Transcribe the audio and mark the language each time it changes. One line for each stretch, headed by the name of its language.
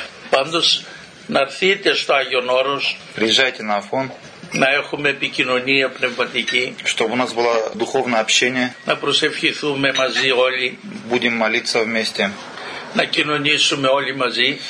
Greek: Πάντως, να έρθείτε στο Άγιον Όρος.
Russian: Приезжайте на Афон.
Greek: Να έχουμε επικοινωνία πνευματική.
Russian: Чтобы у нас было духовное общение.
Greek: Να προσευχηθούμε μαζί όλοι.
Russian: Будем молиться вместе.
Greek: Να κοινωνήσουμε όλοι μαζί.